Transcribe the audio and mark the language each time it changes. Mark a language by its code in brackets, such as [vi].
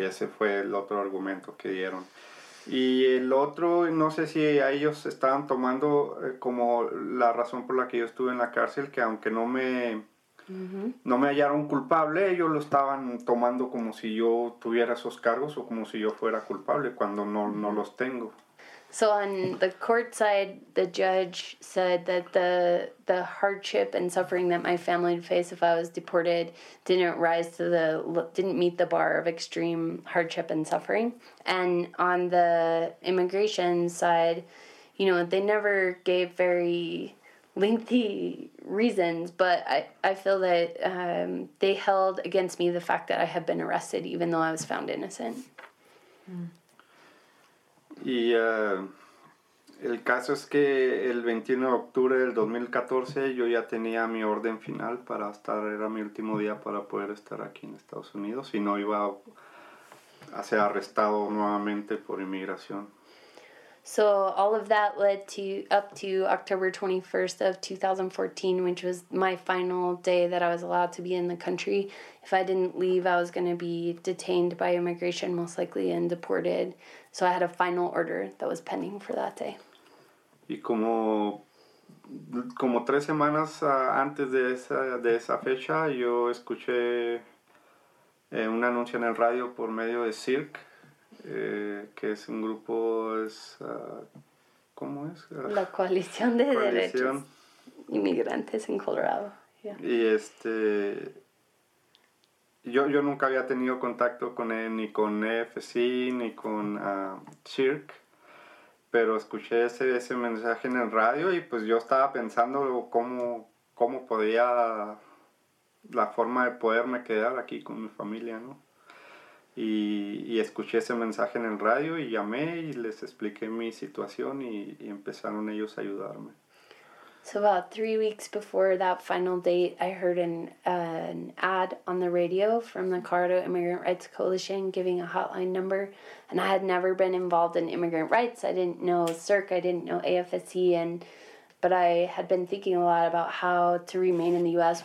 [es] Ese fue el otro argumento que dieron. Y el otro, no sé si a ellos estaban tomando como la razón por la que yo estuve en la cárcel, que aunque no me... no me hallaron culpable, ellos lo estaban tomando como si yo tuviera esos cargos o como si yo fuera culpable, cuando no los tengo. [en] So on the court side, the judge said that the hardship and suffering that my family would face if I was deported didn't meet the bar of extreme hardship and suffering. And on the immigration side, you know, they never gave very lengthy reasons, but I feel that they held against me the fact that I had been arrested, even though I was found innocent. [es] Y el caso es que el 21 de octubre del 2014 yo ya tenía mi orden final para estar, era mi último día para poder estar aquí en Estados Unidos, y no iba a ser arrestado nuevamente por inmigración. [en] So all of that led to up to October 21st of 2014, which was my final day that I was allowed to be in the country. If I didn't leave, I was going to be detained by immigration, most likely, and deported. So I had a final order that was pending for that day. [es] Y como... Como tres semanas antes de esa fecha, yo escuché un anuncio en el radio por medio de Cirque, que es un grupo, ¿cómo es? La coalición de derechos inmigrantes en Colorado. Yeah. Y yo nunca había tenido contacto con él, ni con EFC, ni con Cirque. Pero escuché ese mensaje en el radio y pues yo estaba pensando cómo podía, la forma de poderme quedar aquí con mi familia, ¿no? Y escuché ese mensaje en el radio y llamé y les expliqué mi situación y empezaron ellos a ayudarme. [en] So about 3 weeks before that final date, I heard an ad on the radio from the Colorado Immigrant Rights Coalition giving a hotline number, and I had never been involved in immigrant rights. I didn't know CIRC, I didn't know AFSC, but I had been thinking a lot about how to remain in the U.S.